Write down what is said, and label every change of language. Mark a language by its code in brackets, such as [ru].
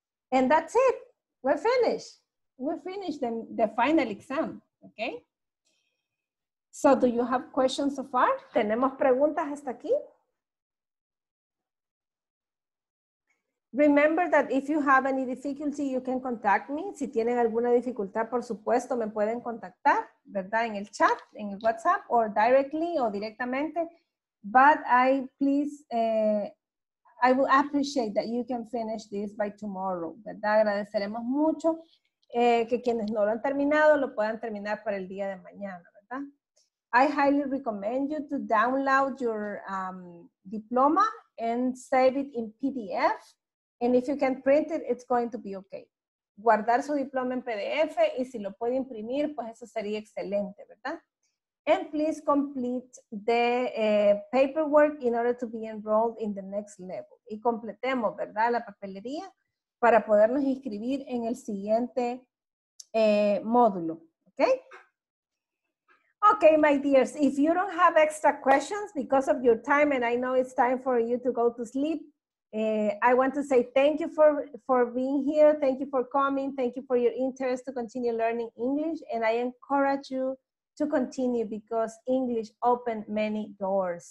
[en] And that's it. We're finished. We finished the final exam, okay? So do you have questions so far? [es] ¿Tenemos preguntas hasta aquí? [en] Remember that if you have any difficulty, you can contact me. [es] Si tienen alguna dificultad, por supuesto, me pueden contactar, ¿verdad? En el chat, en el WhatsApp, [en] or directly, [es] o directamente. [en] But I will appreciate that you can finish this by tomorrow, ¿verdad? [es] Agradeceremos mucho que quienes no lo han terminado, lo puedan terminar para el día de mañana, ¿verdad? [en] I highly recommend you to download your diploma and save it in PDF. And if you can print it, it's going to be okay. [es] Guardar su diploma en PDF y si lo puede imprimir, pues eso sería excelente, ¿verdad? [en] And please complete the paperwork in order to be enrolled in the next level. [es] Y completemos, ¿verdad? La papelería para podernos inscribir en el siguiente módulo, ¿okay? [en] Okay, my dears, if you don't have extra questions because of your time, and I know it's time for you to go to sleep, I want to say thank you for being here. Thank you for coming. Thank you for your interest to continue learning English. And I encourage you to continue because English opened many doors.